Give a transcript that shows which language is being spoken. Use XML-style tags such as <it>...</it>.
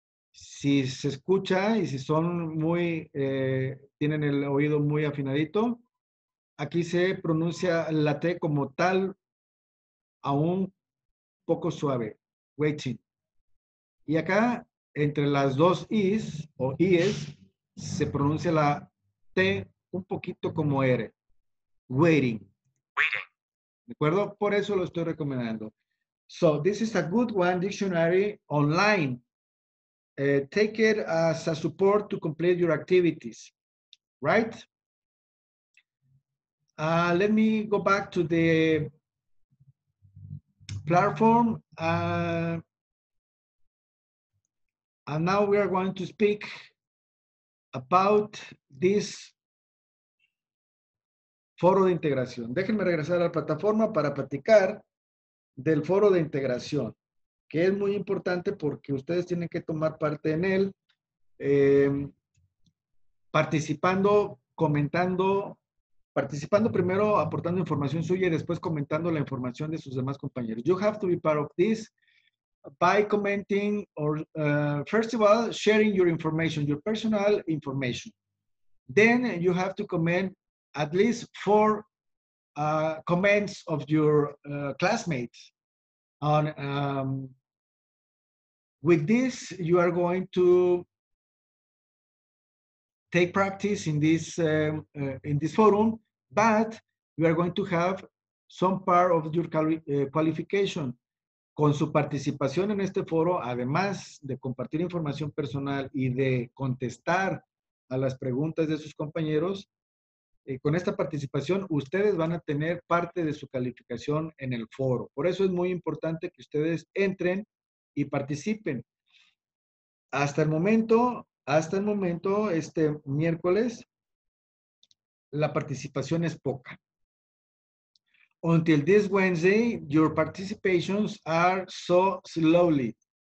<es>Si se escucha y si son muy, tienen el oído muy afinadito, aquí se pronuncia la T como tal, aún poco suave. Waiting. Y acá, entre las dos I's o I's, se pronuncia la T un poquito como R.</es> <en>Waiting. Waiting.</en> <es>¿De acuerdo? Por eso lo estoy recomendando.</es> <en>So, this is a good one dictionary online. Take it as a support to complete your activities. Right? Let me go back to the platform. And now we are going to speak about this foro de integración.</en> <es>Déjenme regresar a la plataforma para platicar del foro de integración, que es muy importante porque ustedes tienen que tomar parte en él, participando, comentando, participando primero, aportando información suya y después comentando la información de sus demás compañeros.</es> <en>You have to be part of this. By commenting or first of all, sharing your information, your personal information. Then you have to comment at least 4 comments of your classmates. On with this, you are going to take practice in this forum, but you are going to have some part of your qualification.</en> <es>Con su participación en este foro, además de compartir información personal y de contestar a las preguntas de sus compañeros, con esta participación ustedes van a tener parte de su calificación en el foro. Por eso es muy importante que ustedes entren y participen. Hasta el momento, este miércoles, la participación es poca.</es> <en>Until this Wednesday, your participations are so slowly.</en>